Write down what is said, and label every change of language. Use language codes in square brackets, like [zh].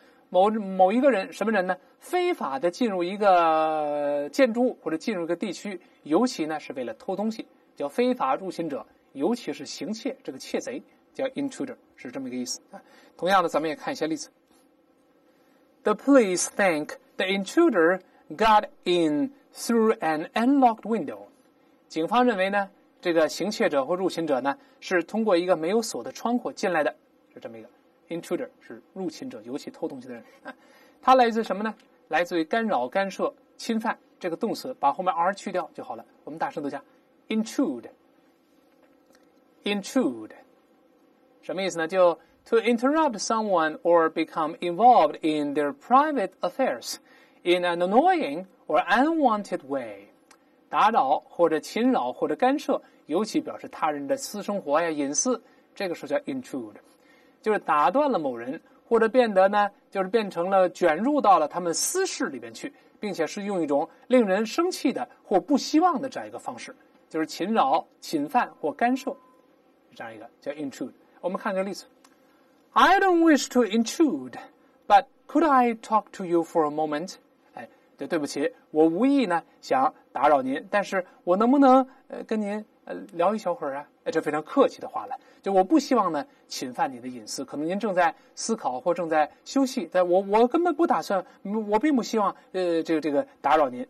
[zh] 某一个人，什么人呢？非法的进入一个建筑或者进入一个地区，尤其呢是为了偷东西，叫非法入侵者，尤其是行窃，这个窃贼叫 intruder， 是这么一个意思。同样的，咱们也看一些例子。 [en] The police think the intruder got in through an unlocked window。 [zh] 警方认为呢，这个行窃者或入侵者呢，是通过一个没有锁的窗户进来的，是这么一个。 intruder 是入侵者，尤其偷东西的人。它来自什么呢？来自于干扰、干涉、侵犯这个动词，把后面 r 去掉就好了。我们大声读一下 ，intrude，intrude。Intrude，什么意思呢？就 [en] to interrupt someone or become involved in their private affairs in an annoying or unwanted way， [zh] 打扰或者侵扰或者干涉，尤其表示他人的私生活呀、隐私，这个时候叫 intrude， 就是打断了某人，或者变得呢，就是变成了卷入到了他们私事里边去，并且是用一种令人生气的或不希望的这样一个方式，就是侵扰、侵犯或干涉，这样一个叫 intrude。我们看个例子。 [en] I don't wish to intrude, but could I talk to you for a moment? [zh] 对不起，我无意呢想打扰您，但是我能不能跟您聊一小会儿啊，这非常客气的话了。就我不希望呢侵犯你的隐私，可能您正在思考或正在休息，但我根本不打算，我并不希望这个打扰您。